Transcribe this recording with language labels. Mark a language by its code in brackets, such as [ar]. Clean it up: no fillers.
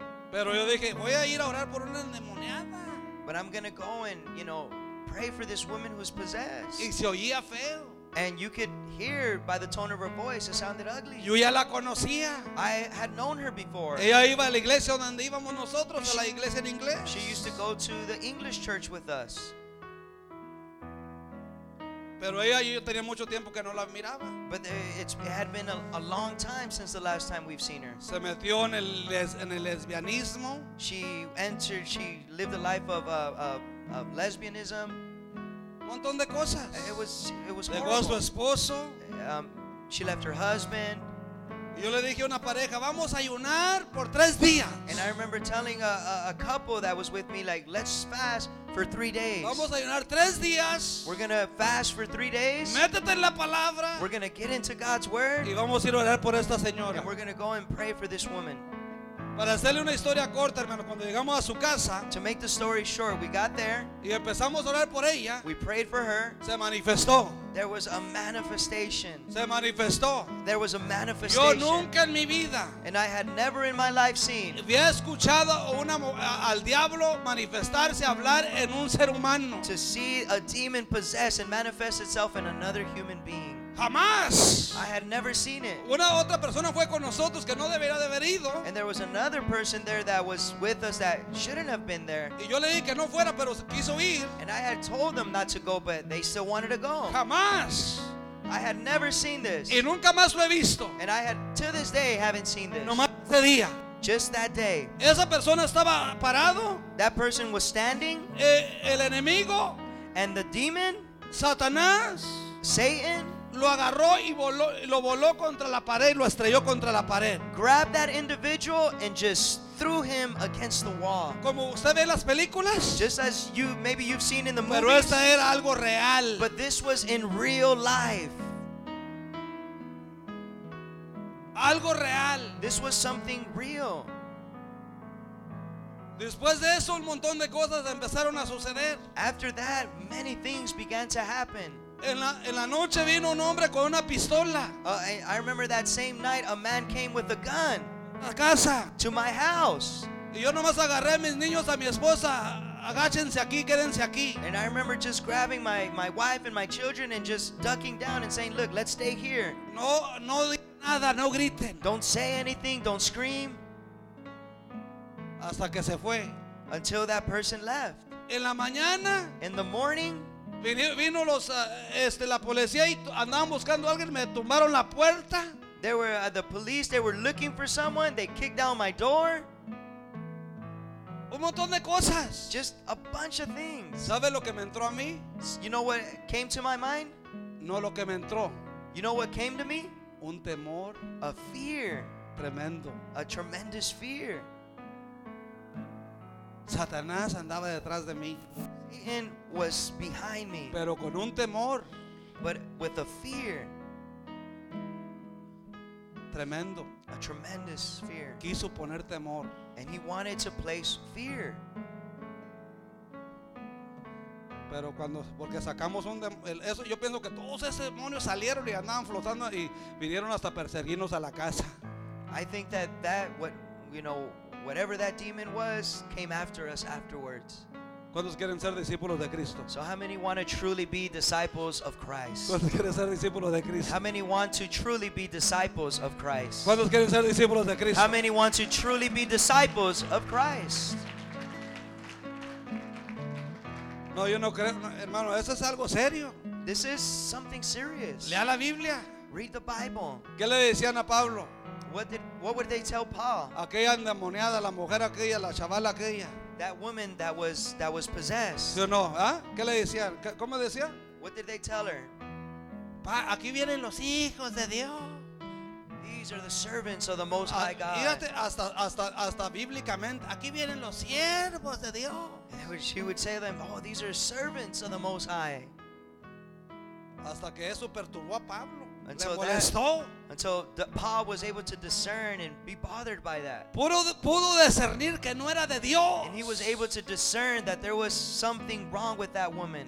[es] Pero yo dije, voy a ir a orar por una endemoniada. [en] But I'm going to go and, you know, pray for this woman who's possessed. [es] Y se oía feo. [en] And you could hear by the tone of her voice, it sounded ugly. [es] Yo ya la conocía. [en] I had known her before. [es] Ella iba a la iglesia donde íbamos nosotros, a la iglesia en inglés. [en] She used to go to the English church with us. [es] Pero ella, yo tenía mucho tiempo que no la miraba. [en] But it had been a long time since the last time we've seen her. [es] Se metió en el lesbianismo. [en] She lived a life of lesbianism. [es] Un montón de cosas. [en] It was [es] dejó [en] horrible. [es] A su esposo. [en] She left her husband. [es] Yo le dije a una pareja, vamos a ayunar por 3 días. [en] And I remember telling a couple that was with me, like, let's fast for 3 days. [es] Vamos a ayunar 3 días. [en] We're going to fast for 3 days. [es] Métete en la palabra. [en] We're going to get into God's word. [es] Y vamos a ir a orar por esta señora. [en] And we're going to go and pray for this woman. [es] Para hacerle una historia corta, hermano, cuando llegamos a su casa, [en] to make the story short, we got there. [es] Y empezamos a orar por ella. [en] We prayed for her. [es] Se manifestó. [en] There was a manifestation. [es] Se manifestó. [en] There was a manifestation. [es] Yo nunca en mi vida. [en] And I had never in my life seen. [es] Había escuchado una, al diablo manifestarse, hablar en un ser humano. [en] To see a demon possess and manifest itself in another human being. [es] Jamás. [en] I had never seen it. [es] Una otra persona fue con nosotros que no debería de haber ido. [en] And there was another person there that was with us that shouldn't have been there. [es] Y yo le dije que no fuera, pero quiso ir. [en] And I had told them not to go, but they still wanted to go. [es] Jamás. [en] I had never seen this. [es] Y nunca más lo he visto. [en] And I had, to this day, haven't seen this. [es] No más ese día. [en] Just that day. [es] Esa persona estaba parado. [en] That person was standing. [es] El enemigo. [en] And the demon. [es] Satanás. [en] Satan. [es] Lo agarró y voló, lo voló contra la pared, lo estrelló contra la pared. [en] Grabbed that individual and just threw him against the wall. [es] Como usted ve las películas. [en] Just as you maybe you've seen in the [es] pero [en] movies. [es] Pero esta era algo real. [en] But this was in real life. [es] Algo real. [en] This was something real. [es] Después de eso, un montón de cosas empezaron a suceder. [en] After that, many things began to happen. [es] En la noche vino un hombre con una pistola. [en] I remember that same night a man came with a gun. [es] A casa. [en] To my house. [es] Y yo nomás agarré a mis niños, a mi esposa. Agáchense aquí, quédense aquí. [en] And I remember just grabbing my wife and my children and just ducking down and saying, look, let's stay here. [es] No, no digan nada, no griten. [en] Don't say anything, don't scream. [es] Hasta que se fue. [en] Until that person left. [es] En la mañana. [en] In the morning. [es] Vino los la policía y andaban buscando a alguien, me tumbaron la puerta. [en] They were the police, they were looking for someone, they kicked down my door. [es] Un montón de cosas. [en] Just a bunch of things. [es] ¿Sabe lo que me entró a mí? [en] You know what came to my mind? [es] No lo que me entró. [en] You know what came to me? [es] Un temor, [en] a fear, [es] tremendo, [en] a tremendous fear. [es] Satanás andaba detrás de mí. [en] Satan was behind me. [es] Pero con un temor. [en] But with a fear. [es] Tremendo. [en] A tremendous fear. [es] Quiso poner temor. [en] And he wanted to place fear. [es] Pero cuando, porque sacamos un eso, yo pienso que todos esos demonios salieron y andaban flotando y vinieron hasta perseguirnos a la casa. [en] I think that what, you know, whatever that demon was came after us afterwards. [es] ¿Cuántos quieren ser discípulos de Cristo? [en] So how many want to truly be disciples of Christ? [es] ¿Cuántos quieren ser discípulos de Cristo? [en] How many want to truly be disciples of Christ? [es] ¿Cuántos quieren ser discípulos de Cristo? [en] How many want to truly be disciples of Christ? [es] No, yo no creo, no, hermano, eso es algo serio. [en] This is something serious. [es] Lea la Biblia. [en] Read the Bible. [es] ¿Qué le decían a Pablo? [en] What would they tell Paul? [es] Aquella endemoniada, la mujer aquella, la chavala aquella. [en] That woman that was possessed. [es] Yo no, ¿ah? ¿Qué le decían? ¿Cómo decía? [en] What did they tell her? [es] Pa, aquí vienen los hijos de Dios. [en] These are the servants of the Most High God. [es] Fíjate, hasta bíblicamente, aquí vienen los siervos de Dios. [en] She would say to them, oh, these are servants of the Most High. [es] Hasta que eso perturbó a Pablo. [en] Until Paul was able to discern and be bothered by that. [es] Pudo discernir que no era de Dios. [en] And he was able to discern that there was something wrong with that woman.